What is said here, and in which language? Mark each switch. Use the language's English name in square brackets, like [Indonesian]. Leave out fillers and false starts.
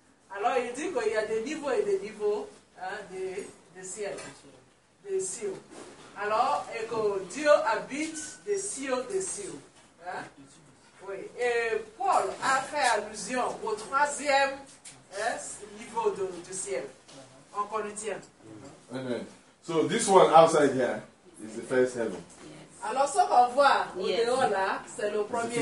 [French] Alors il dit qu'il y a des niveaux et des niveaux des ciels, des cieux. Alors, et que Dieu habite des cieux des cieux. Oui. Et Paul a fait allusion au troisième niveau du ciel, en Corinthiens. Amen. [English] So this one outside here is the first heaven. [French] Alors, ce qu'on voit au-dehors là, c'est le premier